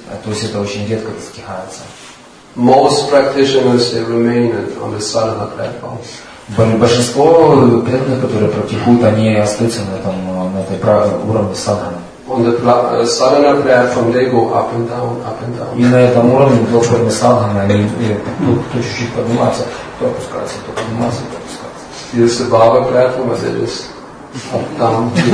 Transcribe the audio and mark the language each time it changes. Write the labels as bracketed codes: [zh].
[ru] То есть это очень редко достигается. [en] Most practitioners they remain on the sadhana platform. [ru] Большинство преданных, которые практикуют, они остаются на этом, на этой правом уровне садхана. [en] On the sadhana platform they go up and down, up and down. [ru] И на этом уровне платформы садхана они то чуть-чуть поднимаются. То опускается, то поднимается, то опускается. [en] Is the Baba platform as it is up, down,